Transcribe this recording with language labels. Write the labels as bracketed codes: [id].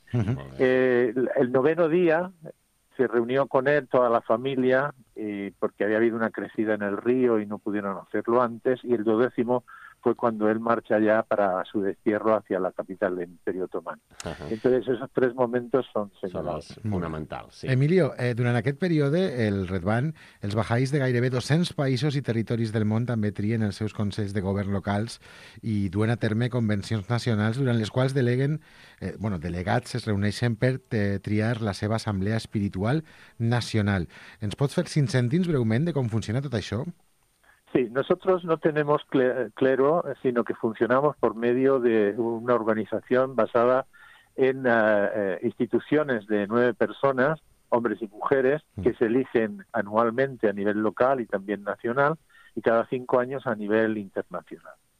[es] El noveno día se reunió con él toda la familia, porque había habido una crecida en el río y no pudieron hacerlo antes, y el duodécimo fue cuando él marcha ya para su destierro hacia la capital del Imperio Otomano. Entonces, esos tres momentos són [ca] fonamentals. Sí. Emilio, durant aquest període, el Redwan, els bahais de gairebé 200 països i territoris del món també trien els seus consells de govern locals i duen a terme convencions nacionals durant les quals delegats es reuneixen per triar la seva assemblea espiritual nacional. Ens pots fer 5 cèntims breument de com funciona tot això? [es] Sí, nosotros no tenemos clero, sino que funcionamos por medio de una organización basada en instituciones de 9 personas, hombres y mujeres, que se eligen anualmente a nivel local y también nacional, y cada 5 años a nivel internacional.